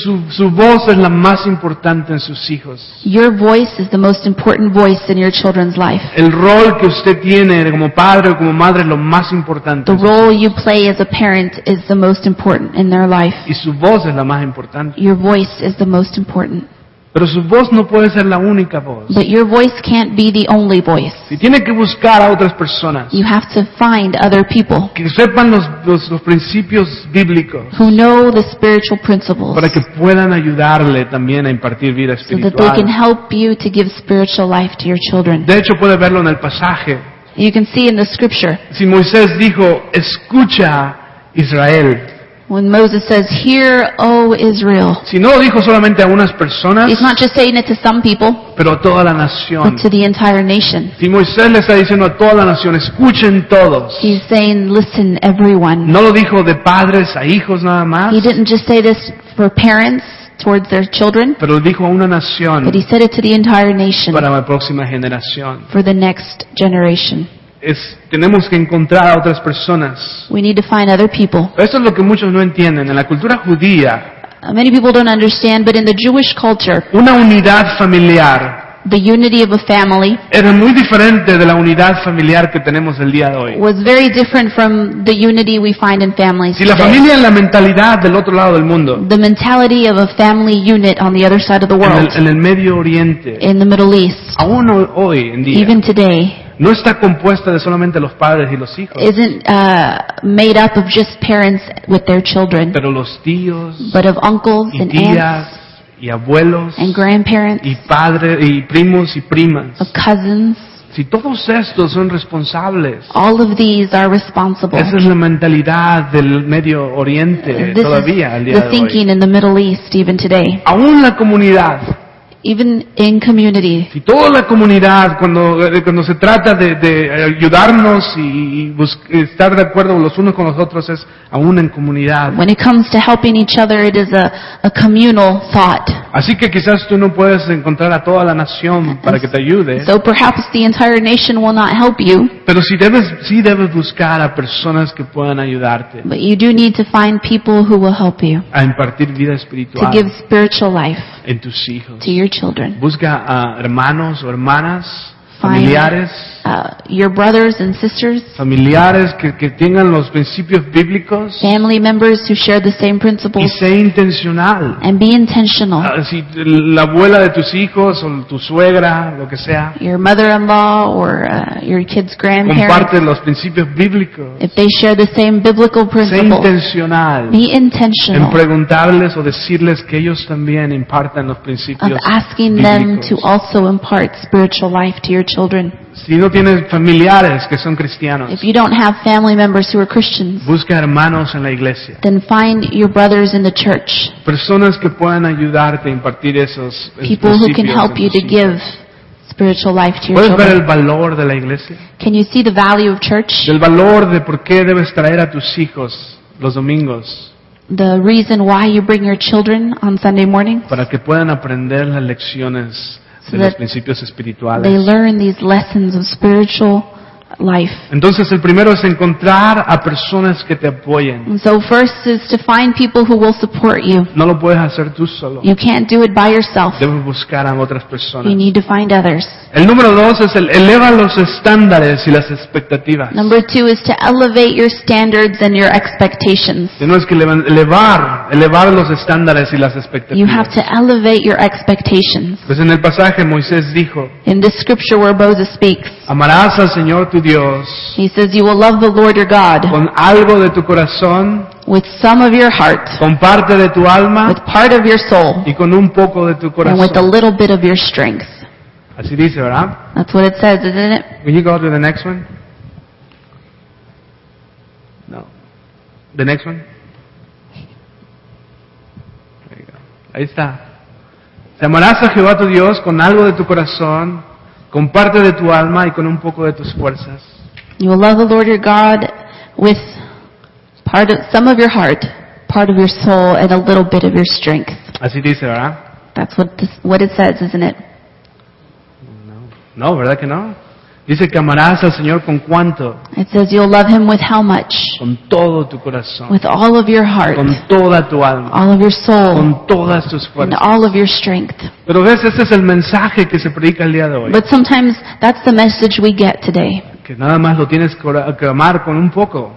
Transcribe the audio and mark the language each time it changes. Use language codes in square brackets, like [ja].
[es] Su voz es la más importante en sus hijos. [en] Your voice is the most important voice in your children's life. [es] El rol que usted tiene como padre o como madre es lo más importante. [en] The role you play as a parent is the most important. In their life. [es] Y su voz es la más importante. [en] Your voice is the most important. [es] Pero su voz no puede ser la única voz. [en] But your voice can't be the only voice. [es] Y tiene que buscar a otras personas. [en] You have to find other people. [es] Que sepan los principios bíblicos. [en] Who know the spiritual principles. [es] Para que puedan ayudarle también a impartir vida espiritual. [en] So that they can help you to give spiritual life to your children. [es] De hecho, puede verlo en el pasaje. [en] You can see in the scripture. [es] Si Moisés dijo, escucha Israel. [en] When Moses says, "Hear, O Israel," [es] si no lo dijo solamente a unas personas, [en] he's not just saying it to some people, [es] pero a toda la nación, [en] but to the entire nation. [es] Si Moisés le está diciendo a toda la nación, escuchen todos. [en] He's saying, "Listen, everyone." [es] No lo dijo de padres a hijos nada más. [en] He didn't just say this for parents towards their children, [es] pero lo dijo a una nación, [en] but he said it to the entire nation, [es] para la próxima generación, [en] for the next generation. [es] Tenemos que encontrar a otras personas. [en] We need to find other people. [es] Eso es lo que muchos no entienden en la cultura judía. [en] Many people don't understand, but in the Jewish culture, [es] una unidad familiar, [en] the unity of a family, [es] era muy diferente de la unidad familiar que tenemos el día de hoy. [en] Was very different from the unity we find in families. [es] Si la familia es la mentalidad del otro lado del mundo, [en] the mentality of a family unit on the other side of the world, [es] en el Medio Oriente, [en] in the Middle East, [es] aún hoy en día, [en] even today. [es] No está compuesta de solamente los padres y los hijos. [en] Isn't made up of just parents with their children. [es] Pero los tíos, [en] but of uncles [es] y [en] and [es] tías, [en] aunts, [es] y abuelos, [en] and grandparents, [es] y padres y primos y primas, [en] of cousins. [es] Si todos estos son responsables, [en] all of these are responsible. [es] Esa es la mentalidad del Medio Oriente todavía al día de hoy. [en] The thinking in the Middle East even today. [es] Aún la comunidad. [en] Even in community. [es] Si toda la comunidad cuando se trata de ayudarnos y estar de acuerdo los unos con los otros es aún en comunidad. [en] When it comes to helping each other, it is a communal thought. [es] Así que quizás tú no puedes encontrar a toda la nación para que te ayude. [en] So perhaps the entire nation will not help you. [es] Pero sí debes buscar a personas que puedan ayudarte. [en] But you do need to find people who will help you. [es] A impartir vida espiritual. [en] To give spiritual life. [es] En tus hijos. [en] To your children. [es] Busca a hermanos o hermanas. Familiares, [en] your brothers and sisters, [es] familiares que tengan los principios bíblicos, [en] family members who share the same principles, [es] y sé intencional, [en] and be intentional. [es] Si la abuela de tus hijos o tu suegra, lo que sea, [en] your mother-in-law or your kid's grandparents, [es] comparte los principios bíblicos, [en] if they share the same biblical principles, [es] sé intencional, [en] be intentional, [es] en preguntarles o decirles que ellos también impartan los principios [en] of asking [es] bíblicos. [en] Them to also impart spiritual life to your children. [es] Si no tienes familiares que son cristianos, [en] if you don't have family members who are Christians, [es] busca hermanos en la iglesia, [en] then find your brothers in the church. [es] Personas que puedan ayudarte a impartir esos [en] people who can help you to give spiritual life to your [es] ¿Puedes [en] children? [es] Ver el valor de la iglesia? [en] Can you see the value of church? [es] El valor de por qué debes traer a tus hijos los domingos. [en] The reason why you bring your children on Sunday mornings. [es] Para que puedan aprender las lecciones. [en] So that they learn these lessons of spiritual life. [es] Entonces el primero es encontrar a personas que te apoyen. [en] So first is to find people who will support you. [es] No lo puedes hacer tú solo. [en] You can't do it by yourself. [es] Debes buscar a otras personas. [en] You need to find others. [es] El número dos es eleva los estándares y las expectativas. [en] Number two is to elevate your standards and your expectations. [es] Tienes que elevar los estándares y las expectativas. [en] You have to elevate your expectations. [es] Pues en el pasaje Moisés dijo. [en] In this scripture where Moses speaks. [es] Amarás al Señor tu Dios. [en] He says you will love the Lord your God. [es] Con algo de tu corazón. [en] With some of your heart. [es] Con parte de tu alma. [en] With part of your soul. [es] Y con un poco de tu corazón. [en] And with a little bit of your strength. [es] Así dice, ¿verdad? [en] That's what it says, isn't it? Will you go to the next one? No. The next one? There you go. [es] Ahí está. Te amarás a Jehová tu Dios con algo de tu corazón, con parte de tu alma y con un poco de tus fuerzas. [en] You will love the Lord your God with part of some of your heart, part of your soul, and a little bit of your strength. [es] Así dice, ¿verdad? [en] That's what it says, isn't it? [es] No, ¿verdad que no? Dice que amarás al Señor con cuánto. [en] It says you'll love him with how much. [es] Con todo tu corazón. [en] With all of your heart. [es] Con toda tu alma. [en] All of your soul. [es] Con todas tus fuerzas. [en] And all of your strength. [es] Pero ves, ese es el mensaje que se predica el día de hoy. [en] But sometimes that's the message we get today. [es] Que nada más lo tienes que amar con un poco.